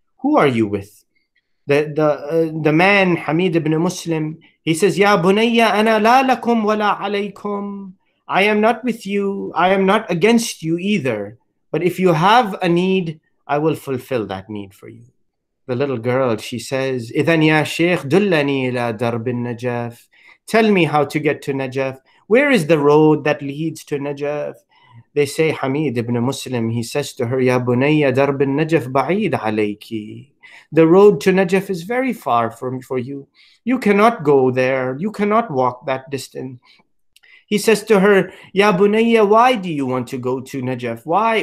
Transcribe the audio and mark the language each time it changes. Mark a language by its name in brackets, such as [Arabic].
[English] Who are you with? The man, Hamid ibn Muslim, he says, [Arabic] Ya bunayya, ana la lakum wa la alaykum. [English] I am not with you. I am not against you either. But if you have a need, I will fulfill that need for you. The little girl, she says, [Arabic] إِذَنْ يَا شَيْخ دُلَّنِي إِلَىٰ دَرْبِ النَّجَافِ. [English] tell me how to get to Najaf. Where is the road that leads to Najaf? They say, Hamid ibn Muslim, he says to her, [Arabic] Ya Bunayya, darb al-Najaf ba'id alayki. [English] The road to Najaf is very far for you. You cannot go there. You cannot walk that distance. He says to her, [Arabic] Ya Bunayya, [English] why do you want to go to Najaf? Why?